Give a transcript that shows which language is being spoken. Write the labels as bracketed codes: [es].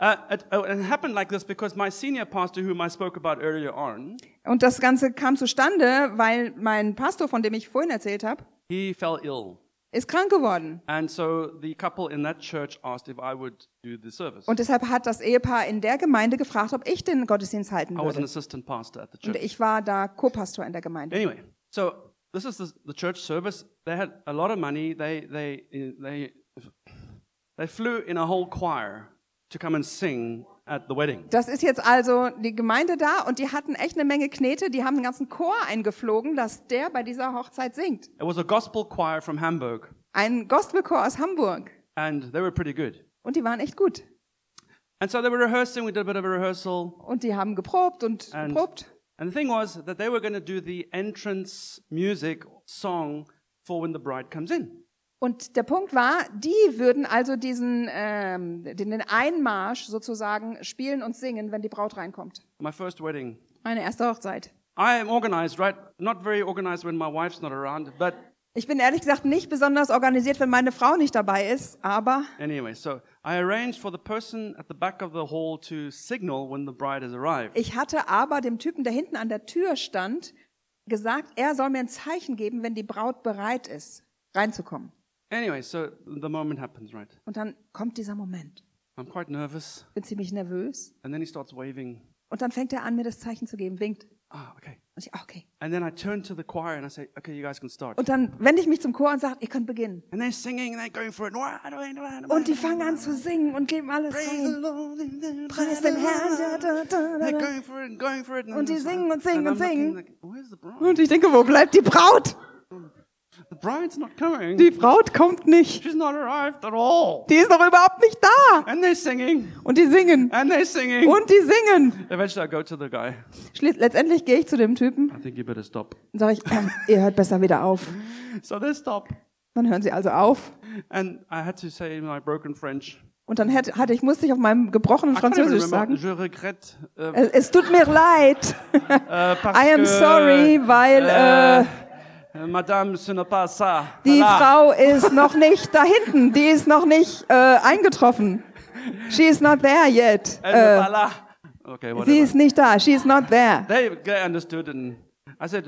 [en] It happened like this because my senior pastor, whom I spoke about earlier on. [de] Und das Ganze kam zustande, weil mein Pastor, von dem ich vorhin erzählt habe, [en] he fell ill. [de] Ist krank geworden. [en] And so the couple in that church asked if I would do the service. [de] Und deshalb hat das Ehepaar in der Gemeinde gefragt, ob ich den Gottesdienst halten würde. [en] I was an assistant pastor at the church. [de] Und ich war da Co-Pastor in der Gemeinde. [en] Anyway, so this is the church service. They had a lot of money. They flew in a whole choir to come and sing at the wedding. [de] Das ist jetzt also die Gemeinde da und die hatten echt eine Menge Knete, die haben einen ganzen Chor eingeflogen, dass der bei dieser Hochzeit singt. [en] It was a gospel choir from Hamburg. [de] Ein Gospelchor aus Hamburg. [en] And they were pretty good. [de] Und die waren echt gut. [en] And so they were rehearsing, we did a bit of a rehearsal. [de] Und die haben geprobt und geprobt. [en] And the thing was that they were going to do the entrance music song for when the bride comes in. [de] Und der Punkt war, die würden also diesen den Einmarsch sozusagen spielen und singen, wenn die Braut reinkommt. [en] My first wedding. [de] Meine erste Hochzeit. [en] I am organized, right? Not very organized when my wife's not around, but [de] ich bin ehrlich gesagt nicht besonders organisiert, wenn meine Frau nicht dabei ist, aber [en] anyway, so I arranged for the person at the back of the hall to signal when the bride has arrived. [de] Ich hatte aber dem Typen, der hinten an der Tür stand, gesagt, er soll mir ein Zeichen geben, wenn die Braut bereit ist, reinzukommen. [en] Anyway, so the moment happens, right? [de] Und dann kommt dieser Moment. [en] I'm quite nervous. [de] Bin ziemlich nervös. [en] And then he starts waving. [de] Und dann fängt er an, mir das Zeichen zu geben, winkt. [en] Ah, okay. [de] Und ich, okay. [en] And then I turn to the choir and I say, okay, you guys can start. [de] Und dann wende ich mich zum Chor und sage, ihr könnt beginnen. [en] And they're singing and they're going for it. [de] Und die fangen an zu singen und geben alles rein. Preis den Herrn. [en] They're going for it and going for it. [de] Und die singen und singen und singen. [en] Where's the bride? [de] Und ich denke, wo bleibt die Braut? [en] The bride's not coming. [de] Die Braut kommt nicht. [en] She's not arrived at all. [de] Die ist noch überhaupt nicht da. [en] And they're singing. [de] Und die singen. [en] And they're singing. [de] Und die singen. [en] Eventually I go to the guy. [de] Letztendlich gehe ich zu dem Typen. [en] I think you better stop. [de] Sag ich, ihr hört besser wieder auf. [en] So they stop. [de] Dann hören sie also auf. [en] And I had to say in my broken French. [de] Und dann musste ich auf meinem gebrochenen Französisch sagen. [fr] Je regrette, [de] es tut mir leid. [en] I am sorry, [de] weil [fr] Madame, ce n'est pas ça. Die voilà. [de] Frau ist noch nicht da hinten. Die ist noch nicht eingetroffen. [en] She is not there yet. Okay, [de] sie ist nicht da. [en] She is not there. They understood and I said,